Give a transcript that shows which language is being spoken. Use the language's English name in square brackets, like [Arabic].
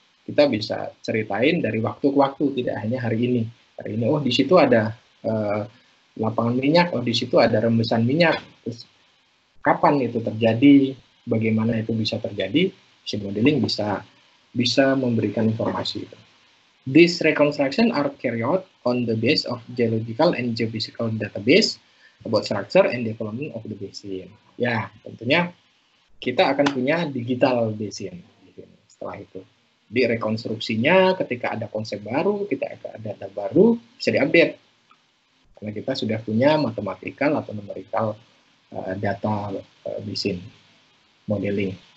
[Indonesian] Kita bisa ceritain dari waktu ke waktu, tidak hanya hari ini. Hari ini, oh di situ ada lapangan minyak, oh di situ ada rembesan minyak. Terus, kapan itu terjadi, bagaimana itu bisa terjadi, basin modeling bisa memberikan informasi. [English] This reconstruction are carried out on the base of geological and geophysical database about structure and development of the basin. [Indonesian] Ya, tentunya kita akan punya digital basin setelah itu. Di rekonstruksinya ketika ada konsep baru, kita ada data baru, bisa diupdate. Karena kita sudah punya mathematical atau numerical data basin modeling.